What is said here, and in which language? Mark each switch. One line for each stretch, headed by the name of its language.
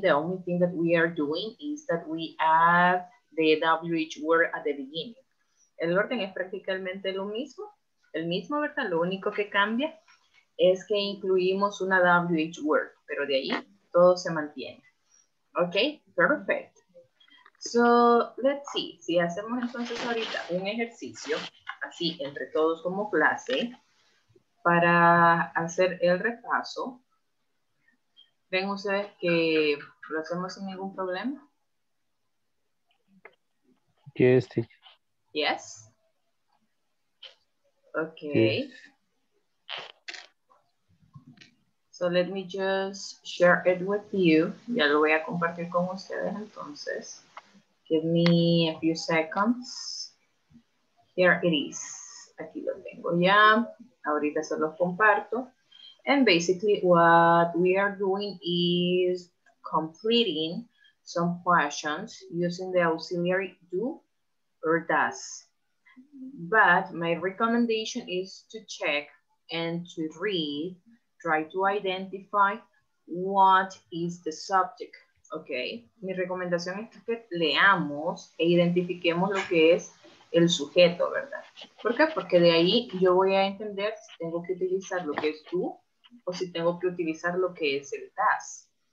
English: The only thing that we are doing is that we add the WH word at the beginning.
Spanish: El orden es prácticamente lo mismo, el mismo, ¿verdad? Lo único que cambia es que incluimos una WH word, pero de ahí todo se mantiene.
English: Ok, perfect. So, let's see,
Spanish: si hacemos entonces ahorita un ejercicio, así, entre todos como clase, para hacer el repaso, ¿ven ustedes que lo hacemos sin ningún problema? ¿Qué es, tío?
English: Yes. Okay. Yes. So let me just share it with you.
Spanish: Ya lo voy a compartir con ustedes entonces.
English: Give me a few seconds. Here it is.
Spanish: Aquí lo tengo ya. Ahorita se los comparto.
English: And basically what we are doing is completing some questions using the auxiliary do or does. But my recommendation is to check and to read, try to identify what is the subject, okay?
Spanish: Mi recomendación es que leamos e identifiquemos lo que es el sujeto, ¿verdad? ¿Por qué? Porque de ahí yo voy a entender si tengo que utilizar lo que es tú o si tengo que utilizar lo que es el does.